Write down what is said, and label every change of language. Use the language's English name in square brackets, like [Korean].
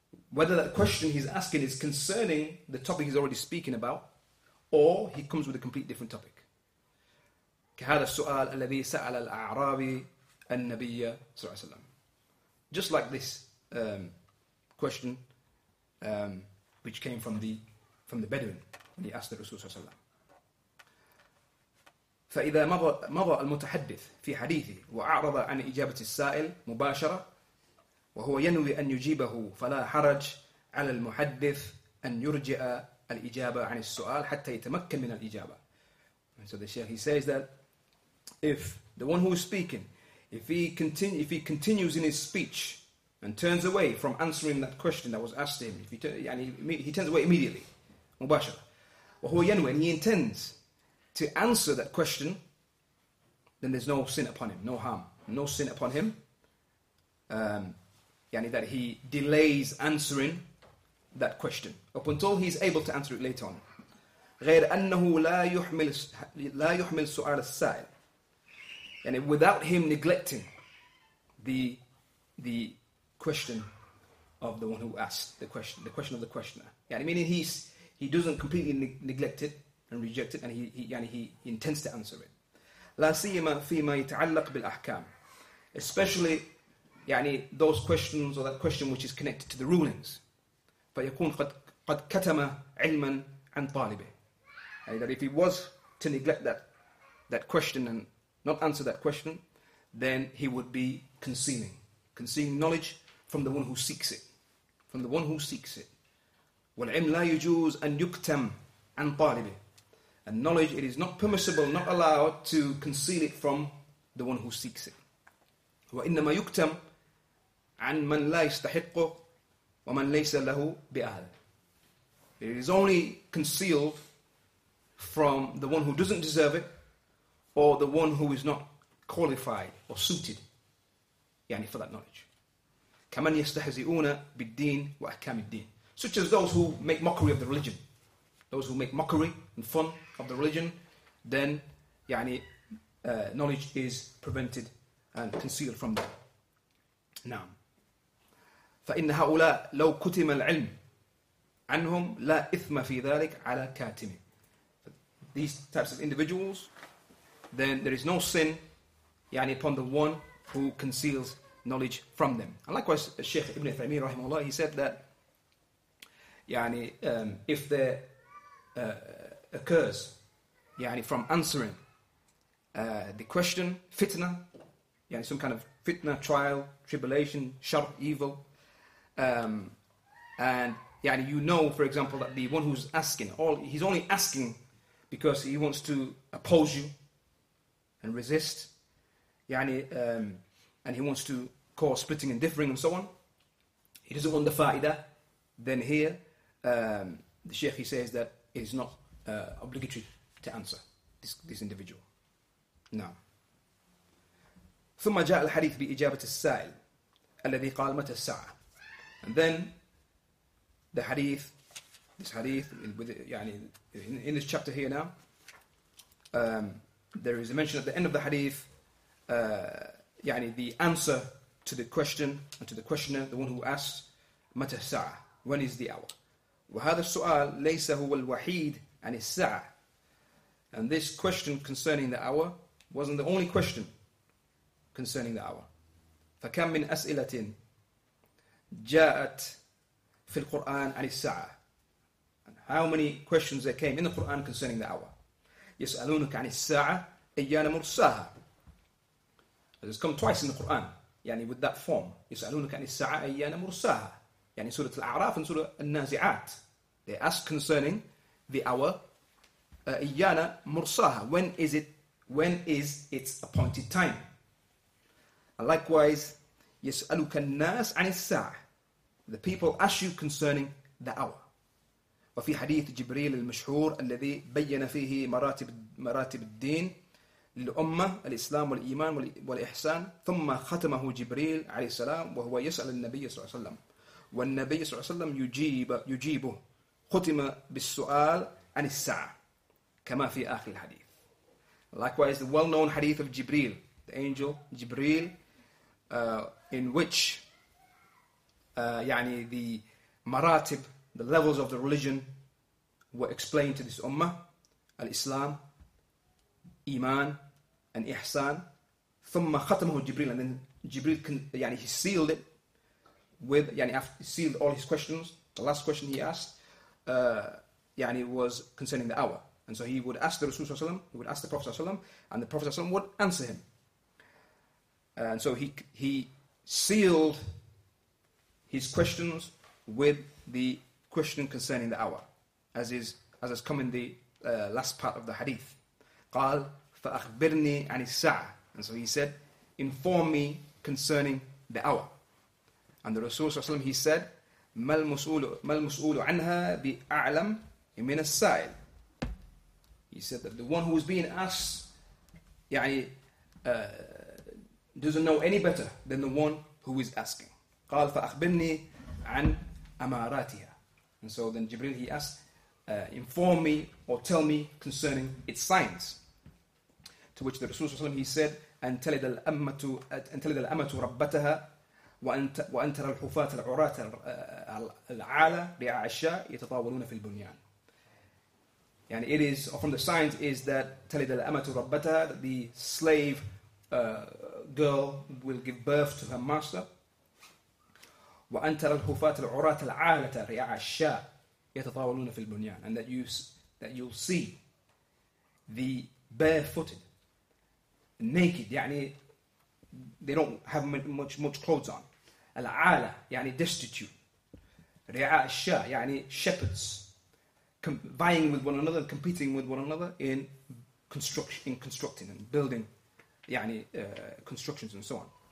[English] Whether that question he's asking is concerning the topic he's already speaking about, or he comes with a complete different topic. [Arabic] كهذا السؤال الذي سأل الأعرابي النبي صلى الله عليه وسلم. [English] Just like this question which came from the Bedouin, when he asked the Rasul [Arabic] صلى الله عليه وسلم. فإذا مضى المتحدث في حديثه وأعرض عن إجابة السائل مباشرة وهو ينوي أن يجيبه فلا حرج على المحدث أن يرجع الإجابة عن السؤال حتى يتمكن من الإجابة. [English] And so the Shaykh, he says that if the one who is speaking, if he continues in his speech and turns away from answering that question that was asked to him, he turns away immediately, مباشرة. [Arabic] وهو ينوي, [English] and he intends to answer that question, then there's no sin upon him, no harm, no sin upon him. يعني that he delays answering that question up until he's able to answer it later on. [Arabic] غير أنه لا يحمل سؤال السائل. [English] يعني without him neglecting the question of the one who asked the question of the questioner. يعني meaning he doesn't completely neglect it and reject it, and he intends to answer it. [Arabic] لا سيما فيما يتعلق بالأحكام. [English] Especially, يعني, those questions or that question which is connected to the rulings. [Arabic] فيكون قد كتم علما عن طالبه. [English] يعني that if he was to neglect that question and not answer that question, then he would be concealing knowledge from the one who seeks it. From the one who seeks it. [Arabic] والعلم لا يجوز أن يكتم عن طالبه. [English] And knowledge, it is not permissible, not allowed to conceal it from the one who seeks it. [Arabic] وإنما يكتم عن من لا يستحقه ومن ليس له بأهل. [English] It is only concealed from the one who doesn't deserve it, or the one who is not qualified or suited, يعني, for that knowledge. [Arabic] كمن يستهزئون بالدين وأحكام الدين. [English] Such as those who make mockery of the religion. Those who make mockery and fun of the religion, then يعني, knowledge is prevented and concealed from them. [Arabic] Now, فإن هؤلاء لو كتم العلم عنهم لا إثم في ذلك على كاتمه. [English] These types of individuals, then there is no sin يعني, upon the one who conceals knowledge from them. And likewise, Shaykh Ibn Thaymiyyah rahimahullah, he said that يعني, if there occurs يعني from answering the question, fitna, يعني some kind of fitna, trial, tribulation, شر, evil. And يعني you know, for example, that the one who's asking, all he's only asking because he wants to oppose you and resist, يعني, and he wants to cause splitting and differing and so on. He doesn't want the faida. Then here, the sheikh, he says that it is not obligatory to answer this individual. No. [Arabic] ثم جاء الحديث بإجابة السائل الذي قال متى الساعة. [English] And then the hadith, this hadith, in this chapter here now, there is a mention at the end of the hadith, يعني the answer to the question and to the questioner, the one who asked, [Arabic] متى الساعة, [English] when is the hour? [Arabic] وهذا السؤال ليس هو الوحيد عن الساعة. [English] And this question concerning the hour wasn't the only question concerning the hour. [Arabic] فكم من أسئلة جاءت في القرآن عن الساعة. [English] And how many questions there came in the Quran concerning the hour? [Arabic] يسألونك عن الساعة أيان مرساها. [English] It has come twice in the Quran, يعني with that form. [Arabic] يسألونك عن الساعة أيان مرساها. يعني سورة الأعراف and سورة النازعات. [English] They ask concerning the hour. [Arabic] أيان مرساها. [English] When is its appointed time? And likewise, [Arabic] يسألك الناس عن الساعة. [English] The people ask you concerning the hour. [Arabic] وفي حديث جبريل المشهور الذي بين فيه مراتب الدين للأمة الإسلام والإيمان والإحسان ثم ختمه جبريل عليه السلام وهو يسأل النبي صلى الله عليه وسلم والنبي صلى الله عليه وسلم يجيبه ختم بالسؤال عن الساعة كما في آخر الحديث. [English] Likewise, the well-known hadith of Jibreel, the angel Jibreel, in which يعني the maratib, the levels of the religion were explained to this ummah, al-Islam, Iman, and Ihsan. [Arabic] ثم ختمه جبريل, [English] and then Jibreel يعني he sealed it with يعني after sealed all his questions. The last question he asked يعني was concerning the hour, and so he would ask the Rasul sallam, he would ask the Prophet sallam, and the Prophet sallam would answer him. And so he sealed his questions with the question concerning the hour, as has come in the last part of the hadith. [Arabic] قال فأخبرني عن الساعة. [English] And so he said, inform me concerning the hour. And the Rasul [Arabic] صلى الله عليه وسلم, [English] he said, [Arabic] ما المسؤول عنها بأعلم من السائل. [English] He said that the one who is being asked, يعني, doesn't know any better than the one who is asking. [Arabic] قال فأخبرني عن أماراتها. [English] And so then Jibril, he asked, inform me or tell me concerning its signs. To which the Rasul [Arabic] صلى الله عليه وسلم, [English] he said, [Arabic] أن تلد الأمة ربتها وأن ترى الحفاة العراة العالة رعاء الشاة يتطاولون في البنيان. [English] And it is, from the signs is that [Arabic] تلد الأمة ربتها, [English] that the slave girl will give birth to her master. [Arabic] وأن ترى الحفاة العراة العالة رعاء الشاة يتطاولون في البنيان. [English] And that you'll see the barefooted, naked, يعني they don't have much clothes on. [Arabic] العالة يعني destitute. رعاء الشاة [English] يعني shepherds vying with one another, competing with one another in constructing and building, يعني constructions and so on.